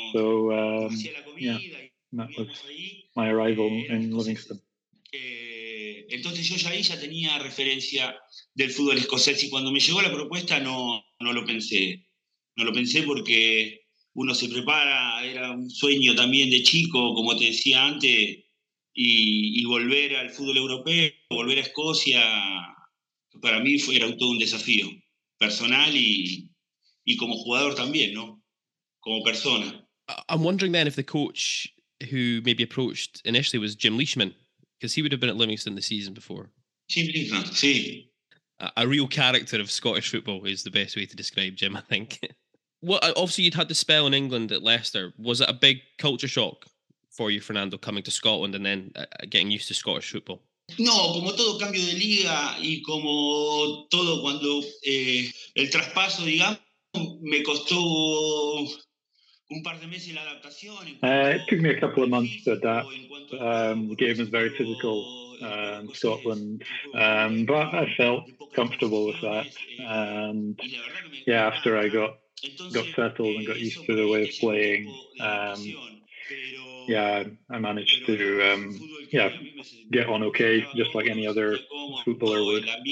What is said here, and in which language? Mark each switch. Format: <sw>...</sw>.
<en>So yeah, that was my arrival in Livingston.</en> <es>Entonces yo ya ahí ya tenía referencia del fútbol escocés y cuando me llegó la propuesta no lo pensé porque uno se prepara, era un sueño también de chico, como te decía antes, y volver al fútbol europeo, volver a Escocia, para mí fue, era todo un desafío personal y como jugador también, ¿no? Como persona.</es> <en>I'm wondering then if the coach who maybe approached initially was Jim Leishman. Because he would have been at Livingston the season before.</en> <es>Jim Leishman, sí.</es> <en>A real character of Scottish football is the best way to describe Jim, I think. Obviously, you'd had the spell in England at Leicester. Was it a big culture shock for you, Fernando, coming to Scotland and then getting used to Scottish football?</en> <es>No, como todo cambio de liga y como todo cuando el traspaso, digamos, me costó...</es> <en>It took me a couple of months to adapt. The game is very physical in Scotland, but I felt comfortable with that. And yeah, after I got settled and got used to the way of playing, I managed to get on okay, just like any other footballer would.</en>